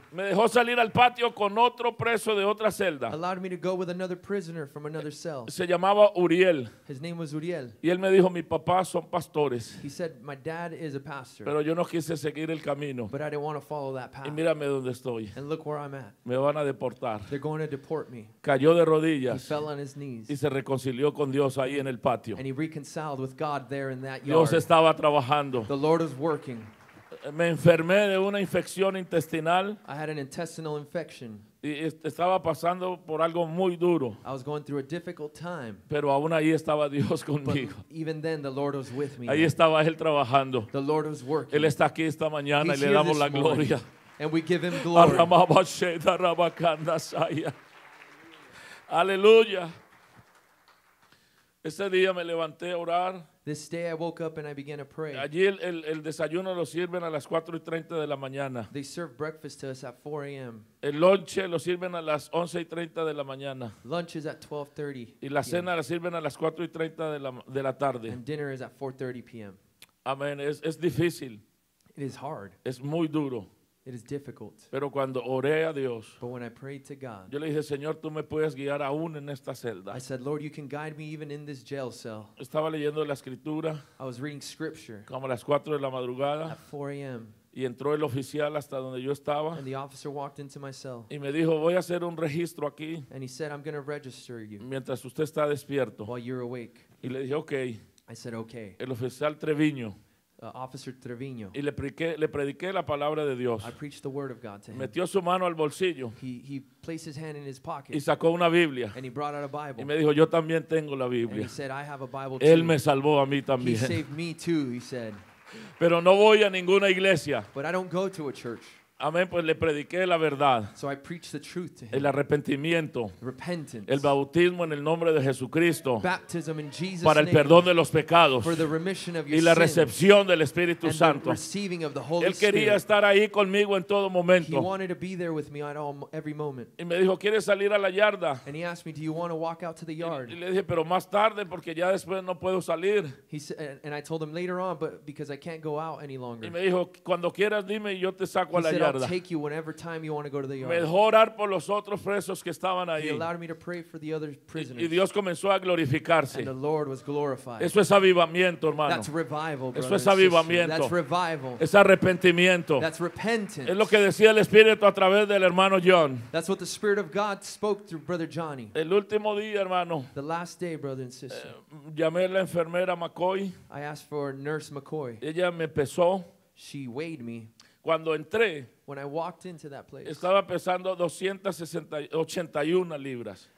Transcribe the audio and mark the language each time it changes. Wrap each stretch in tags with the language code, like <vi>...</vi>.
<es>me dejó salir al patio con otro preso de otra celda.</es> <en>Allowed me to go with another prisoner from another cell.</en> <es>Se llamaba Uriel.</es> <en>His name was Uriel.</en> <es>Y él me dijo, mi papá son pastores.</es> <en>He said, my dad is a pastor.</en> <es>Pero yo no quise seguir el camino.</es> <en>But I didn't want to follow that path.</en> <es>Y mírame donde estoy.</es> <en>And look where I'm at.</en> <es>Me van a deportar.</es> <en>They're going to deport me.</en> <es>Cayó de rodillas.</es> <en>He fell on his knees.</en> <es>Y se reconcilió con Dios ahí en el patio.</es> <en>And he reconciled with God there in that yard.</en> <es>Dios estaba trabajando.</es> <en>The Lord is working.</en> <es>Me enfermé de una infección intestinal.</es> <en>I had an intestinal infection.</en> <es>Y estaba pasando por algo muy duro.</es> <en>I was going through a difficult time.</en> <es>Pero aún ahí estaba Dios conmigo.</es> <en>But even then, the Lord was with me.</en> <es>Ahí estaba Él trabajando.</es> <en>The Lord was working.</en> <es>Él está aquí esta mañana</es> <en>He's</en> <es>y le damos la gloria.</es> <en>Morning, and we give Him glory.</en> <es>Aleluya. Ese día me levanté a orar.</es> <en>This day I woke up and I began to pray.</en> <es>Allí el desayuno lo sirven a las 4:30 de la mañana.</es> <en>They serve breakfast to us at 4 a.m.</en> <es>El lunch lo sirven a las 11:30 de la mañana.</es> <en>Lunch is at 12:30.</en> <es>Y la cena la sirven a las 4:30 de la tarde.</es> <en>And dinner is at 4:30 p.m.</en> <es>Amén. Es difícil.</es> <en>It is hard.</en> <es>Es muy duro.</es> <en>It is difficult.</en> <es>Pero cuando oré a Dios,</es> <en>but when I prayed to God,</en> <es>yo le dije, Señor, tú me puedes guiar aún en esta celda.</es> <en>I said, Lord, you can guide me even in this jail cell.</en> <es>Estaba leyendo la escritura.</es> <en>I was reading scripture.</en> <es>Como a las 4 de la madrugada.</es> <en>At 4 a.m.</en> <es>Y entró el oficial hasta donde yo estaba.</es> <en>And the officer walked into my cell.</en> <es>Y me dijo, voy a hacer un registro aquí.</es> <en>And he said, I'm going to register you.</en> <es>Mientras usted está despierto.</es> <en>While you're awake.</en> <es>Y le dije, okay.</es> <en>I said, okay.</en> <es>El oficial Treviño.</es> <en>Officer Treviño.</en> <es>Y le prediqué la palabra de Dios.</es> <en>I preached the word of God to him.</en> <es>Metió su mano al bolsillo.</es> <en>He placed his hand in his pocket.</en> <es>Y sacó una Biblia.</es> <en>And he brought out a Bible.</en> <es>Y me dijo, yo también tengo la Biblia.</es> <en>And he said, I have a Bible</en> <es>Él</es> <en>too.</en> <es>Me salvó a mí también.</es> <en>He saved me too, he said.</en> <es>Pero no voy a ninguna iglesia.</es> <en>But I don't go to a church.</en> <es>Amén, pues le prediqué la verdad.</es> <en>So I preached the truth to him.</en> <es>El arrepentimiento.</es> <en>Repentance.</en> <es>El bautismo en el nombre de Jesucristo.</es> <en>Baptism in Jesus' name.</en> <es>Para el perdón de los pecados.</es> <en>For the remission of your</en> <es>sins. Y la recepción del Espíritu Santo.</es> <en>And the receiving of the Holy</en> <es>Spirit. Él quería estar ahí conmigo en todo momento.</es> <en>He wanted to be there with me at all, every moment.</en> <es>Y me dijo, ¿quieres salir a la yarda?</es> <en>And he asked me, do you want to walk out to the yard?</en> <es>Y le dije, pero más tarde porque ya después no puedo salir.</es> <en>He said, and I told him later on, but because I can't go out any longer.</en> <es>Y me dijo, cuando quieras dime y yo te saco</es> <en>he</en> <es>a la</es> <en>said,</en> <es>yarda.</es> <en>I'll take you whenever time you want to go to the yard.</en> <es>Me dejó orar por los otros presos que estaban ahí.</es> <en>He allowed me to pray for the other prisoners.</en> <es>Y Dios comenzó a glorificarse.</es> <en>And the Lord was glorified.</en> <es>Eso es avivamiento, hermano.</es> <en>That's revival, brother.</en> <es>Eso es avivamiento.</es> <en>That's revival.</en> <es>Es arrepentimiento.</es> <en>That's repentance.</en> <es>Es lo que decía el Espíritu a través del hermano John.</es> <en>That's what the Spirit of God spoke through brother Johnny.</en> <es>El último día, hermano.</es> <en>The last day, brother and sister.</en> <es>Llamé a la enfermera McCoy.</es> <en>I asked for nurse McCoy.</en> <es>Ella me pesó.</es> <en>She weighed me.</en> <es>Cuando entré,</es> <en>when I walked into that place,</en> <es>estaba pesando 261 libras.</es>